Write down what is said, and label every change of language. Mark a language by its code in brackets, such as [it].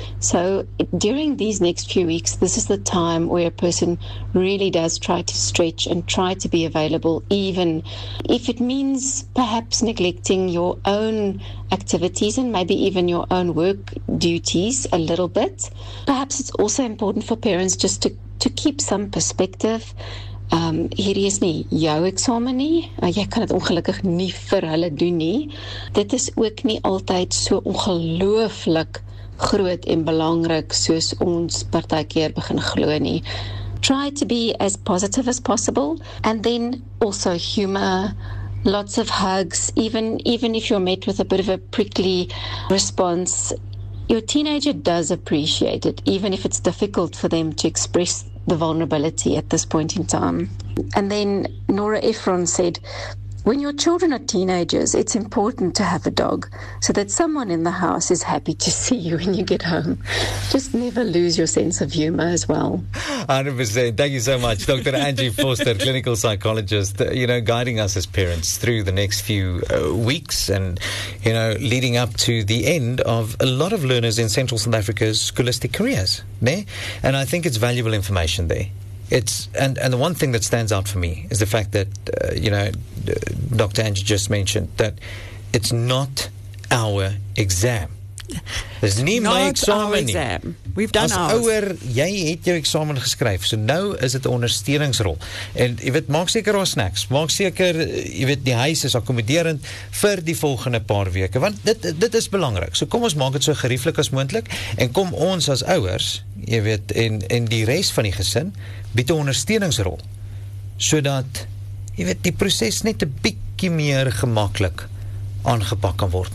[en] So during these next few weeks, this is the time where a person really does try to stretch and try to be available, even if it means perhaps neglecting your own activities and maybe even your own work duties a little bit. Perhaps it's also important for parents just to keep some perspective. [af] Hierdie is nie jou eksamen nie. Jy kan dit ongelukkig nie vir hulle doen nie. Dit is ook nie altyd so ongelooflik groot en belangrik soos ons partykeer begin glo nie. [en] Try to be as positive as possible and then also humor. Lots of hugs, even if you're met with a bit of a prickly response, your teenager does appreciate it, even if it's difficult for them to express the vulnerability at this point in time. And then Nora Ephron said, when your children are teenagers, it's important to have a dog so that someone in the house is happy to see you when you get home. Just never lose your sense of humor as well. 100%. Thank you so much, Dr. Angie Foster, clinical psychologist, you know, guiding us as parents through the next few weeks and, you know, leading up to the end of a lot of learners in Central South Africa's scholastic careers. Né? And I think it's valuable information there. It's and the one thing that stands out for me is the fact that, Dr. Angie just mentioned that it's not our exam. There's nie not my exam. Our exam. We've done as ours. [af] As ouer, jy het jou examen geskryf, so nou is dit 'n ondersteuningsrol. En jy weet, maak seker daar snacks, maak seker, jy weet, die huis is akkommoderend vir die volgende paar weke, want dit is belangrik. So kom ons maak dit so gerieflik as moontlik en kom ons as ouers, jy weet, en die res van die gesin bied 'n ondersteuningsrol sodat jy weet die proses net 'n bietjie meer gemaklik aangepak kan word.